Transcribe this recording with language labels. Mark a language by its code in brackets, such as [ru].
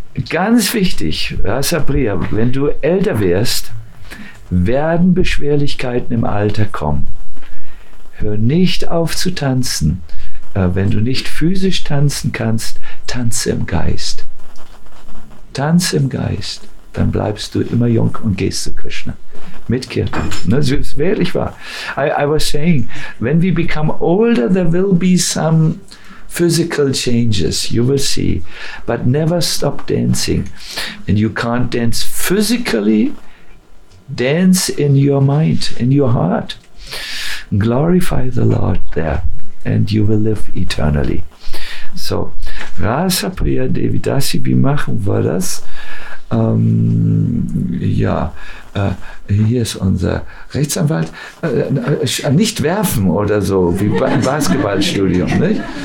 [de] Ganz wichtig, Rasa Priya, wenn du älter wirst, werden Beschwerlichkeiten im Alter kommen. Hör nicht auf zu tanzen. Wenn du nicht physisch tanzen kannst, tanze im Geist. Tanze im Geist, dann bleibst du immer jung und gehst zu Krishna. Mit Kirtan. Das ist wirklich wahr. [en] I was saying, when we become older, there will be some physical changes, you will see. But never stop dancing. And you can't dance physically, dance in your mind, in your heart. Glorify the Lord there. And you will live eternally. [de] So, Rasa Priya Devidasi, wie machen wir das? Hier ist unser Rechtsanwalt. Nicht werfen oder so, wie beim Basketballstudium, nicht?